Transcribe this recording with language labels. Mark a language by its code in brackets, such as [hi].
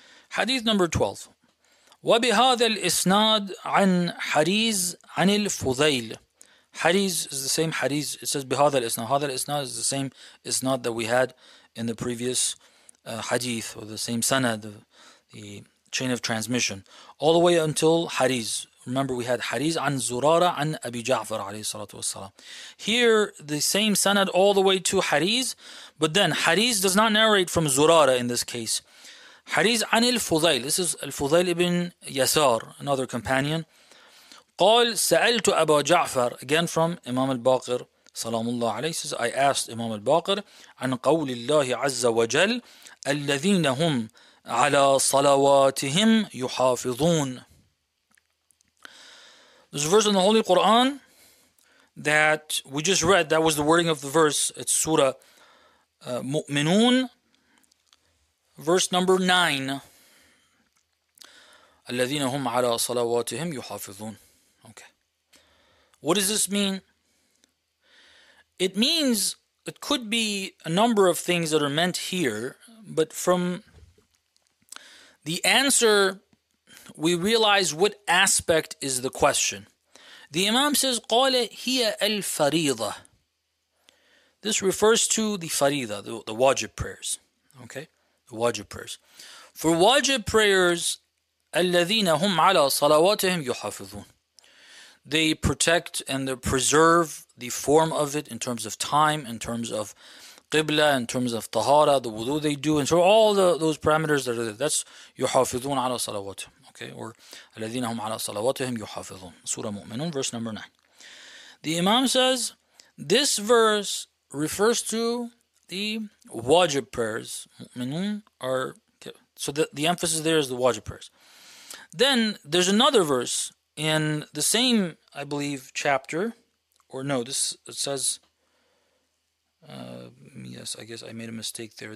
[en] Hadith number 12. [ar] وَبِهَذَا الْإِسْنَادِ عَنْ حَرِيزِ عَنِ الْفُضَيْلِ. [en] Hadith is the same hadith. It says [ar] بِهَذَا الْإِسْنَادِ. هَذَا الْإِسْنَادِ [en] is the same isnad that we had in the previous hadith, or the same sanad, the chain of transmission, all the way until حَرِيز. Remember, we had [ar] حَرِيز عَنْ زُرَارَ عَنْ أَبِي جَعْفَرَ عَلَيْهِ الصَّلَاةُ وَالسَّلَامُ. [en] Here, the same sanad all the way to حَرِيز, but then حَرِيز does not narrate from زُرَارَ in this case. [ar] حريز عن الفضيل. [en] This is الفضيل بن يسار, another companion. [ar] قال سألت أبا جعفر. [en] Again from Imam al-Baqir, [ar] سلام الله عليه. [en] Says I asked Imam al-Baqir [ar] عن قول الله عز وجل الذين هم على صلواتهم يحافظون. [en] There's a verse in the Holy Quran that we just read. That was the wording of the verse. It's Surah Mu'minun, verse number 9. [ar] الَّذِينَ هُمْ عَلَىٰ صَلَوَاتِهِمْ يُحَافِظُونَ. [en] Okay. What does this mean? It means, it could be a number of things that are meant here, but from the answer, we realize what aspect is the question. The Imam says, [ar] قَالَ هِيَ الْفَرِيضَةِ. [en] This refers to the faridah, the wajib prayers. Okay. Wajib prayers. For wajib prayers, [ar] الَّذِينَ هُمْ عَلَىٰ صَلَوَاتِهِمْ يُحَافِظُونَ. [en] They protect and they preserve the form of it in terms of time, in terms of qibla, in terms of tahara, the wudu they do, and so all those parameters that are there. That's [ar] يُحَافِظُونَ عَلَىٰ صَلَوَاتِهِمْ. [en] Okay, or [ar] الَّذِينَ هُمْ عَلَىٰ صَلَوَاتِهِمْ يُحَافِظُونَ. [en] Surah Mu'minun, verse number 9. The Imam says, this verse refers to the wajib prayers. Mu'minun are, so the emphasis there is the wajib prayers. Then there's another verse in the same, I believe, chapter, or no, this it says, yes, I guess I made a mistake there.